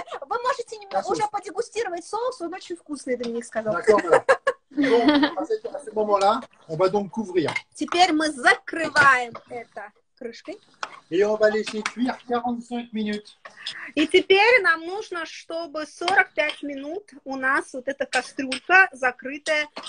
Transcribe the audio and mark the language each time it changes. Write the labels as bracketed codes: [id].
[ru] Вы можете уже подегустировать соус, он очень вкусный, я для них сказал. [fr] Donc, à ce moment-là, on va donc couvrir. [ru] Теперь мы закрываем это крышкой. [fr] Et on va laisser cuire 45 minutes. [ru] И теперь нам нужно, чтобы 45 минут у нас вот эта кастрюлька закрытая.